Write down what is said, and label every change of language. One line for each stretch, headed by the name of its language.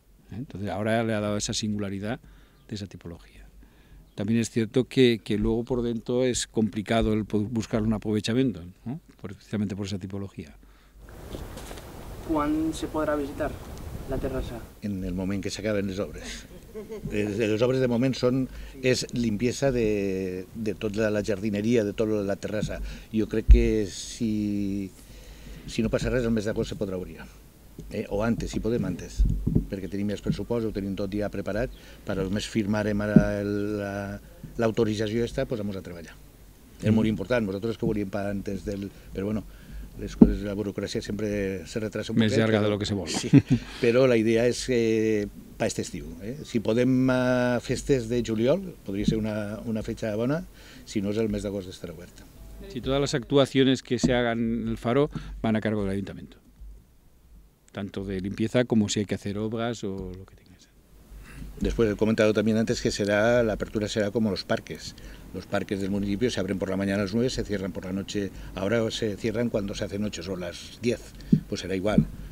Spanish: Entonces ahora le ha dado esa singularidad de esa tipología. También es cierto que luego por dentro es complicado el buscar un aprovechamiento, ¿no? Precisamente por esa tipología. ¿Cuándo se podrá visitar la terraza? En el momento que se acaben las obras.
Catalan: Los obres de moment són, és limpieza de tota la jardineria, de tota la terrassa. Jo crec que si no passa res, el mes d'agost se podrà obrir. O antes, si podem antes, perquè tenim els pressupostos, ho tenim tot ja preparat, però només firmarem ara l'autorització esta, doncs
Spanish: vamos a
Catalan: treballar. És molt important, nosaltres que volíem per antes del... Però bueno, les coses de la burocràcia sempre se retrasa un poquet. Més llarga de lo que se vol. Sí, però la idea és que... per aquest estiu. Si podem a festes de juliol, podria ser una fecha bona, si no és el mes d'agost estarà oberta.
Spanish: Si
Catalan: totes les actuacions
Spanish: que se hagan en el faro van a cargo de l'Ajuntament. Tanto de limpieza como si hay que hacer obras o lo que tengas. Después he comentado también antes que será, la apertura será como los parques. Los parques del municipio se abren por la mañana a las 9, se cierran por la noche. Ahora se cierran cuando se hacen 8 o las 10, pues será igual.